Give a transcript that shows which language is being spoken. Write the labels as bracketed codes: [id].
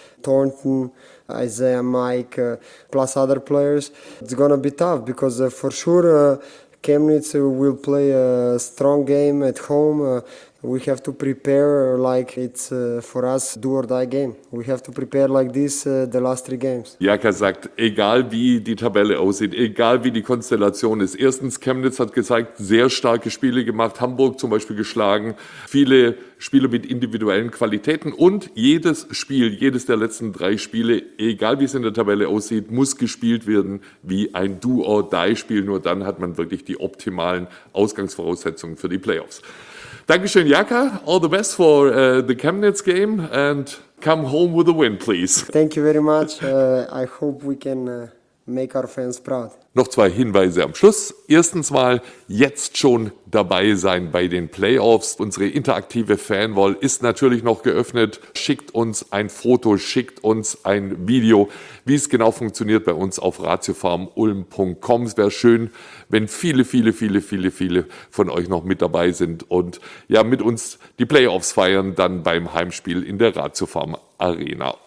[en] Thornton, Isaiah, Mike, plus other players. It's going to be tough because for sure Chemnitz will play a strong game at home. We have to prepare like it's for us do or die game. We have to prepare like this the last three games. [de] Jaka sagt, egal wie die Tabelle aussieht, egal wie die Konstellation ist. Erstens, Chemnitz hat gezeigt, sehr starke Spiele gemacht, Hamburg zum Beispiel geschlagen, viele Spiele mit individuellen Qualitäten und jedes Spiel, jedes der letzten drei Spiele, egal wie es in der Tabelle aussieht, muss gespielt werden wie ein [en] do or die [de] Spiel. Nur dann hat man wirklich die optimalen Ausgangsvoraussetzungen für die Playoffs. Dankeschön, Jaka. [en] All the best for the Chemnitz game and come home with a win, please. Thank you very much. I hope we can make our fans proud. [de] Noch zwei Hinweise am Schluss. Erstens mal jetzt schon dabei sein bei den Playoffs. Unsere interaktive Fanwall ist natürlich noch geöffnet. Schickt uns ein Foto, schickt uns ein Video, wie es genau funktioniert bei uns auf ratiofarmulm.com. Es wäre schön, wenn viele, viele, viele, viele, viele von euch noch mit dabei sind und ja mit uns die Playoffs feiern, dann beim Heimspiel in der Ratiofarm Arena.